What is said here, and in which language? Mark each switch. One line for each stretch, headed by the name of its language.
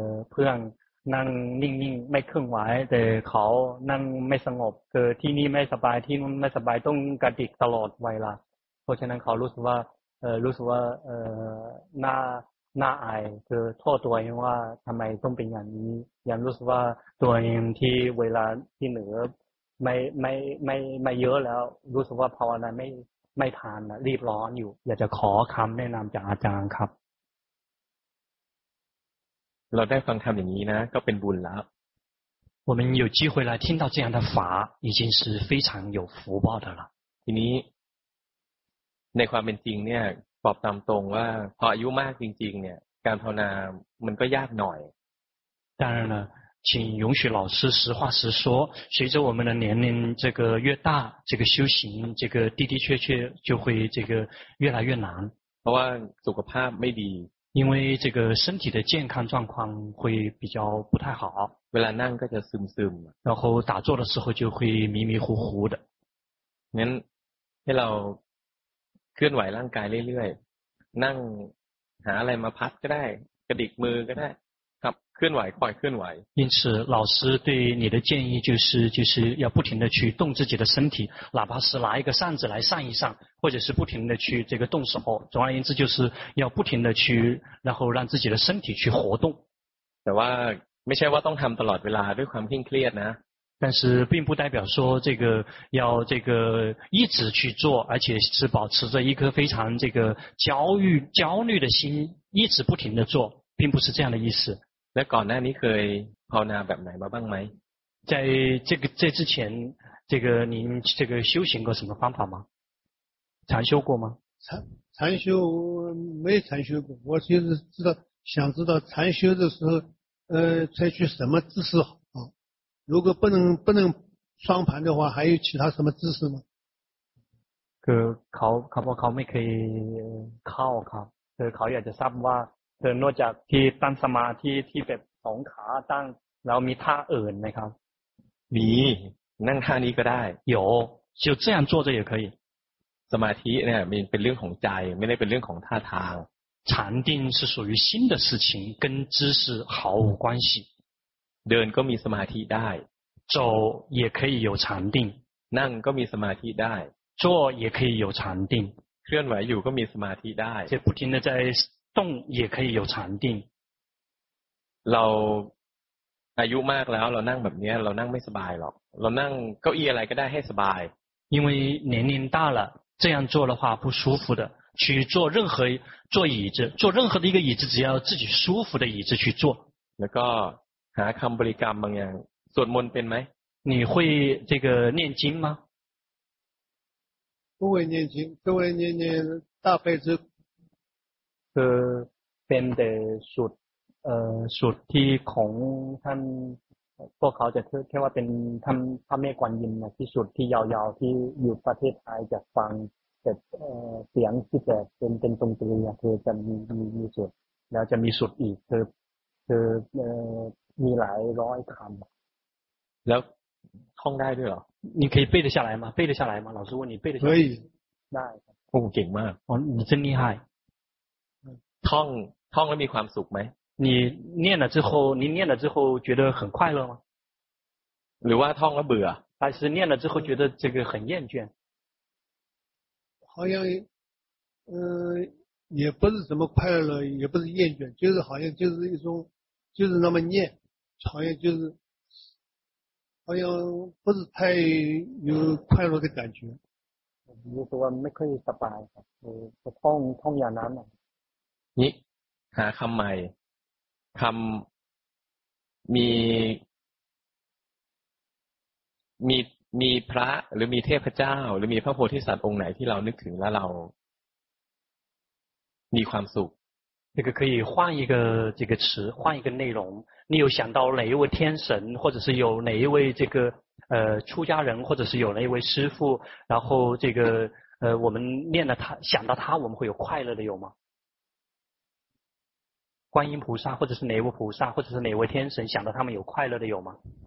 Thai: เพื่อนนั่งนิ่งๆไม่เคลื่อนไหวแต่เขานั่งไม่สงบเกิดที่นี่ไม่สบายที่นู่นไม่สบายต้องกระดิกตลอดเวลาเพราะฉะนั้นเขารู้สึกว่ารู้สึกว่าหน้าอายคือโทษตัวเองว่าทำไมต้องเป็นอย่างนี้ยังรู้สึกว่าตัวเองที่เวลาที่เหนือไม่เยอะแล้วรู้สึกว่าภาวนาไม่ทันนะรีบร้อนอยู่อยากจะขอคำแนะนำจากอาจารย์ครับ เราได้ฟังคำอย่างนี้นะก็เป็นบุญแล้ว
Chinese: 我们有机会来听到这样的法已经是非常有福报的了
Thai: ทีนี้ในความเป็นจริงเนี่ยตอบตามตรงว่าพออายุมากจริงๆเนี่ยการภาวนามันก็ยากหน่อย
Chinese: 当然了请允许老师实话实说，随着我们的年龄这个越大，这个修行这个的的确确就会这个越来越难。
Thai: เพราะว่าสุขภาพไม่ดี
Chinese: 因为这个身体的健康状况会比较不太好
Thai: เวลานั่งก็จะซึมซึม
Chinese: 然后打坐的时候就会迷迷糊糊的
Thai: งั้นให้เราเคลื่อนไหวร่างกายเรื่อยๆนั่งหาอะไรมาพัดก็ได้กระดิกมือก็ได้ครับเคลื่อนไหวคอยเคลื่อนไหว
Chinese: 因此老师对你的建议就是要不停的去动自己的身体哪怕是拿一个扇子来扇一扇或者是不停的去这个动手总而言之就是要不停的去然后让自己的身体去活动
Thai: แต่ว่าไม่ใช่ว่าต้องทำตลอดเวลาด้วยความเคร่งเครียดนะ
Chinese: 但是并不代表说这个要这个一直去做而且是保持着一颗非常这个焦虑的心一直不停的做并不是这样的意思
Thai: แล้วก่อนหน้านี้เคยภาวนาแบบไหนมาบ้างไหม
Chinese: 在这个在之前这个您这个修行过什么方法吗禅修过吗禅修没禅修过我就是想知道禅修的时候采取什么姿势好如果不能双盘的话还有其他什么姿势吗
Thai: เขาไม่เคยเข้าเขาอยากจะทราบว่านอกจากที่ตั้งสมาธิที่แบบสองขาตั้งแล้วมีท่าอื่นไหมครับ มีนั่งท่านี้ก็ได้
Chinese: 有就这样坐着也可以
Thai: สมาธิเนี่ยมันเป็นเรื่องของใจไม่ได้เป็นเรื่องของท่าทาง
Chinese: 禅定是属于心的事情跟姿势毫无关系
Thai: เดินก็มีสมาธิได้
Chinese: 走也可以有禅定
Thai: นั่งก็มีสมาธิได้
Chinese: 坐也可以有禅定
Thai: เคลื่อนไหวอยู่ก็มีสมาธิได้
Chinese: 就不停的在动也可以有禅定
Thai: เราอายุมากแล้วเรานั่งแบบนี้เรานั่งไม่สบายหรอกเรานั่งเก้าอี้อะไรก็ได้ให้สบาย
Chinese: 因为年龄大了这样做的话不舒服的去做任何坐椅子坐任何的一个椅子只要自己舒服的椅子去坐
Thai: แล้วก็หาคำบริกรรมบางอย่างสวดมนต์เป็นไหม
Chinese: 你会这个念经吗不会念经都会念大悲咒
Thai: คือเป็นแต่สุดที่ของท่านพวกเขาจะแค่ว่าเป็นท่านพระแม่กวนอิมนะที่สุดที่ยาวๆที่อยู่ประเทศไทยจะฟังแต่เสียงที่แบบเป็นตรงตรีเนี่ยคือจะมีสุดแล้วจะมีสุดอีกคือมีหลายร้อยคำ แล้วท่องได้ด้วยเหรอ
Chinese: 你可以背得下来吗背得下来吗老师问你背得下来吗ได้
Thai: ผมเก่งมาก
Chinese: อ๋อ你真厉害
Thai: ท่องแล้วมีความสุขไหม
Chinese: 你念了之后觉得很快乐吗
Thai: หรือว่าท่องแล้วเบื่อ
Chinese: 还是念了之后觉得这个很厌倦好像也不是什么快乐也不是厌倦就是好像就是一种就是那么念好像就是好像不是太有快乐的感觉比如说我没可以失败我痛也难了
Thai: นี่หาคำใหม่คำมีพระหรือมีเทพเจ้าหรือมีพระโพธิสัตว์องค์ไหนที่เรานึกถึงแล้วเรามีความสุข
Chinese: 这个可以换一个这个词换一个内容你有想到哪一位天神或者是有哪一位这个出家人或者是有哪一位师父然后这个我们念了他想到他我们会有快乐的有吗观音菩萨或者是哪位菩萨或者是哪位天神想到他们有快乐的有吗